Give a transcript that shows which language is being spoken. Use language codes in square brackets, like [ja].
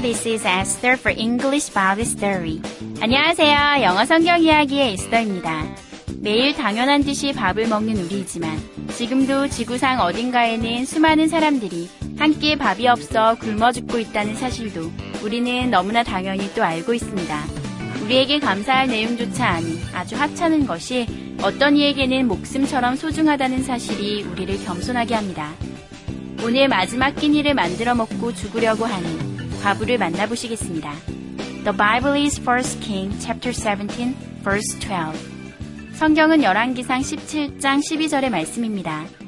[en] This is Esther for English Bible Story. [ko] 안녕하세요. 영어 성경 이야기의 에스더입니다. 매일 당연한 듯이 밥을 먹는 우리이지만 지금도 지구상 어딘가에는 수많은 사람들이 한 끼의 밥이 없어 굶어 죽고 있다는 사실도 우리는 너무나 당연히 또 알고 있습니다. 우리에게 감사할 내용조차 아닌 아주 하찮은 것이 어떤 이에게는 목숨처럼 소중하다는 사실이 우리를 겸손하게 합니다. 오늘 마지막 끼니를 만들어 먹고 죽으려고 하는 과부를 만나보시겠습니다. [en] The Bible is 1 King chapter 17, verse 12. [ko] 성경은 열왕기상 17장 12절의 말씀입니다.